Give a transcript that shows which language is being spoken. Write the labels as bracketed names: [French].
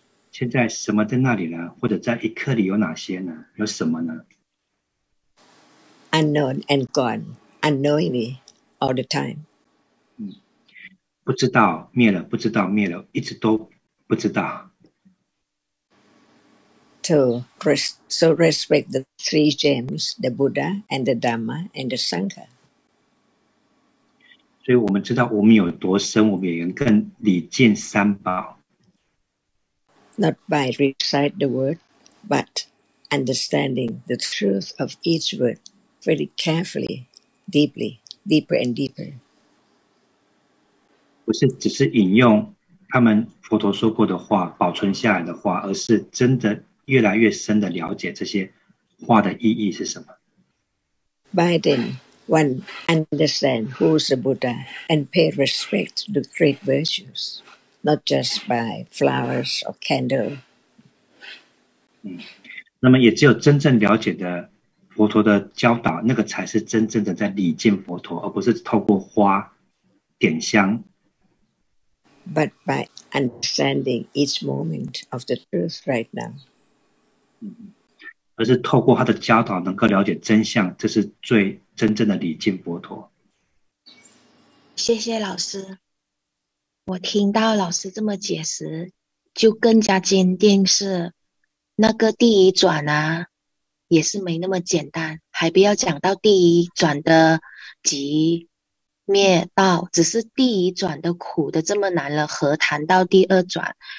[Chinese] 现在什么在那里呢？或者在一刻里有哪些呢？有什么呢 [English] ？Unknown and gone, unknowingly, all the time. [Chinese] 不知道灭了，不知道灭了，一直都不知道。 [English] So respect the three gems, the Buddha and the Dhamma and the Sangha. [Chinese] 所以我们知道我们有多深，我们也能更礼敬三宝。 [English] Not by recite the word, but understanding the truth of each word very carefully, deeply, deeper and deeper. [Chinese] 不是只是引用他们佛陀说过的话，保存下来的话，而是真的越来越深的了解这些话的意义是什么。 [English] By then, one understands who is the Buddha and pay respect to the great virtues, not just by flowers or candle. [Chinese] 那么也只有真正了解的佛陀的教导，那个才是真正的在礼敬佛陀，而不是透过花点香。 [English] But by understanding each moment of the truth right now. [Chinese] 而是透过他的教导能够了解真相，这是最真正的礼敬佛陀。谢谢老师，我听到老师这么解释，就更加坚定是那个第一转啊，也是没那么简单，还不要讲到第一转的极灭道，只是第一转的苦的这么难了，何谈到第二转？